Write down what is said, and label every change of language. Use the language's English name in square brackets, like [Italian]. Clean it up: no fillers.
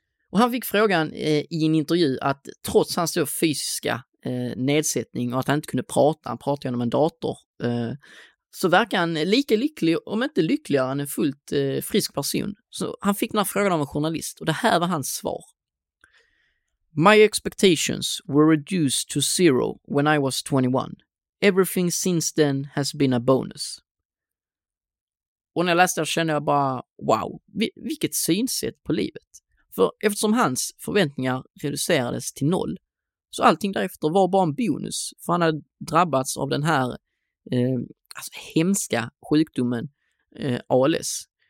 [Swedish] Och han fick frågan i en intervju att trots hans då fysiska nedsättning och att han inte kunde prata, han pratade genom en dator, så verkar han lika lycklig, om inte lyckligare, än en fullt frisk person. Så han fick den här frågan av en journalist och det här var hans svar. [English] My expectations were reduced to zero when I was 21. Everything since then has been a bonus. [Swedish] Och när jag läste det kände jag bara, wow, vilket synsätt på livet. För eftersom hans förväntningar reducerades till noll, så allting därefter var bara en bonus. För han hade drabbats av den här hemska sjukdomen ALS.